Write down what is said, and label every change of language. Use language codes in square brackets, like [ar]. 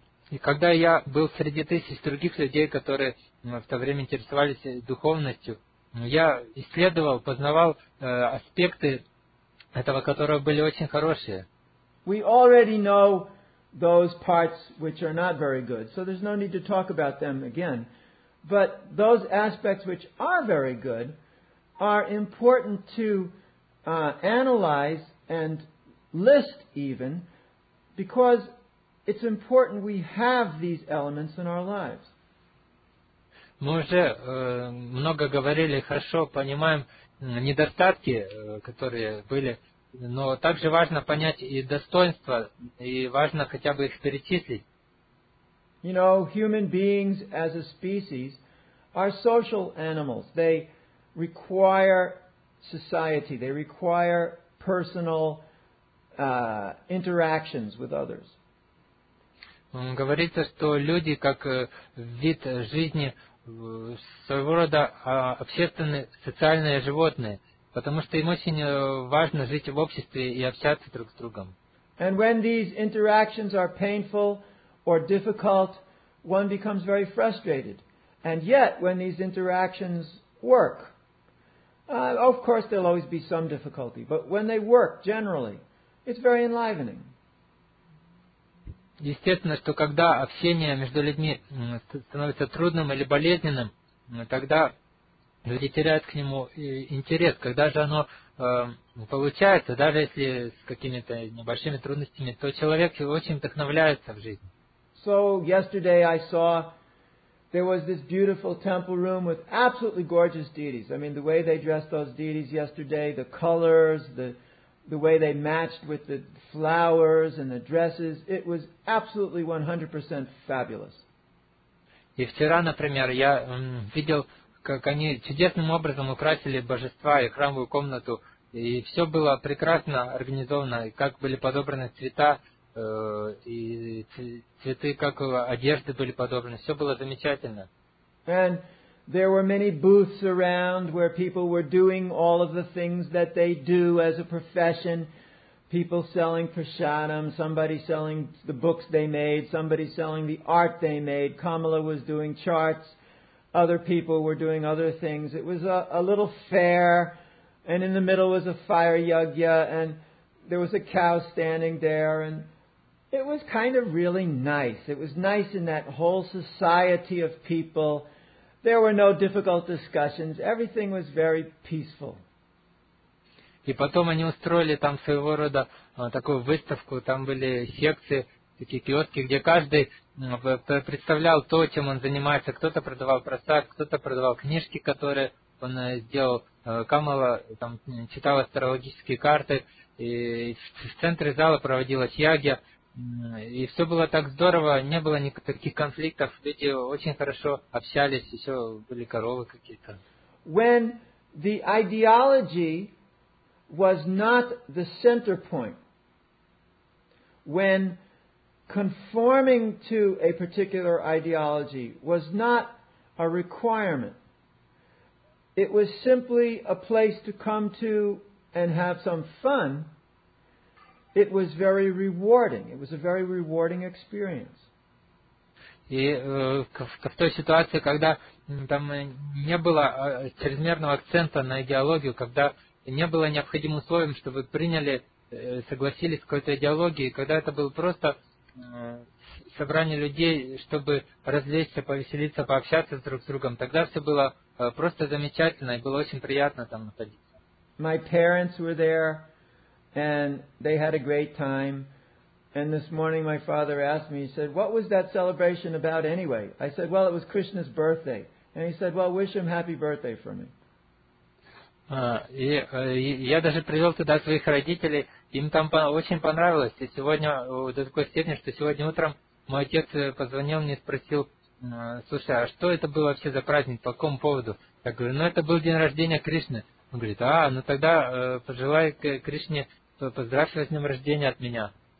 [ru] И когда я был среди тысяч других людей, которые в то время интересовались духовностью, я исследовал, познавал аспекты этого, которые были очень хорошие. [en] We already know those parts which are not very good, so there's no need to talk about them again. But those aspects which are very good are important to analyze and list even, because it's important we have these elements in our lives. [ru] Мы уже много говорили, хорошо понимаем недостатки, которые были Но также важно понять и достоинства, и важно хотя бы их перечислить. [en] You know, human beings as a species are social animals. They require society. They require personal interactions with others. [ru] Говорится, что люди как вид жизни своего рода общественные, социальные животные, потому что им очень важно жить в обществе и общаться друг с другом. [en] And when these interactions are painful or difficult, one becomes very frustrated. And yet, when these interactions work, of course, there'll always be some difficulty, but when they work, generally, it's very enlivening. [ru] Естественно, что когда общение между людьми становится трудным или болезненным, тогда люди теряют к нему интерес. Когда же оно получается, даже если с какими-то небольшими трудностями, то человек очень вдохновляется в жизни. [en] So yesterday I saw there was this beautiful temple room with absolutely gorgeous deities. I mean, the way they dressed those deities yesterday, the colors, the way they matched with the flowers and the dresses, it was absolutely 100% fabulous. [ru] И вчера, например, я видел, как они чудесным образом украсили божества и храмовую комнату, и все было прекрасно организовано, и как были подобраны цвета, и цветы, как одежды были подобраны, все было замечательно. [en] And there were many booths around where people were doing all of the things that they do as a profession. People selling prasadam, somebody selling the books they made, somebody selling the art they made. Kamala was doing charts. Other people were doing other things. It was a little fair, and in the middle was a fire yajna, and there was a cow standing there, and it was kind of really nice. It was nice in that whole society of people. There were no difficult discussions. Everything was very peaceful. [ru] И потом они устроили там своего рода такую выставку. Там были секции, такие киоски, где каждый представлял то, чем он занимается. Кто-то продавал просад, кто-то продавал книжки, которые он сделал. Камала там читал астрологические карты. И в центре зала проводилась ягья. И все было так здорово, не было никаких конфликтов, люди очень хорошо общались, еще были коровы какие-то. [en] When the ideology was not the center point, when conforming to a particular ideology was not a requirement, it was simply a place to come to and have some fun. It was very rewarding. It was a very rewarding experience. [ru] И в той ситуации, когда там не было чрезмерного акцента на идеологию, когда не было необходимым условием, чтобы приняли, согласились с какой-то идеологией, когда это было просто собрание людей, чтобы развлечься, повеселиться, пообщаться друг с другом, тогда все было просто замечательно, и было очень приятно там находиться. [en] My parents were there. And they had a great time. And this morning my father asked me, he said, what was that celebration about anyway? I said, well, it was Krishna's birthday. And he said, well, wish him happy birthday for me. [ru] Я даже привел туда своих родителей. Им там очень понравилось. И сегодня, до такой степени, что сегодня утром мой отец позвонил мне и спросил, слушай, а что это было вообще за праздник, по какому поводу? Я говорю, ну, это был день рождения Кришны. Он говорит, а, ну тогда пожелай Кришне, поздравь его с днем рождения от меня.